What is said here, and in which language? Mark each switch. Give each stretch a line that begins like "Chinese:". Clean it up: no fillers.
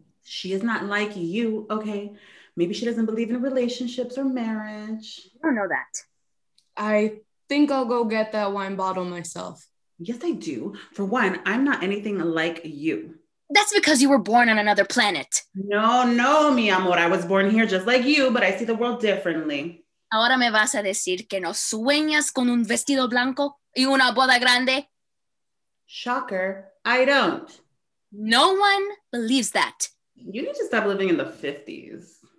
English: She is not like you, okay? Maybe she doesn't believe in relationships or marriage. I don't know that. I think I'll go get that wine bottle myself. Yes, I do. For one, I'm not anything like you. That's because you were born on another planet.
Spanish: No, no, mi amor.
English: I was born here just like you, but I see the world differently.
Spanish: Ahora me vas a decir que no sueñas con un vestido blanco y una boda grande?
English: Shocker, I don't. No one believes that. You need to stop living in the 50s.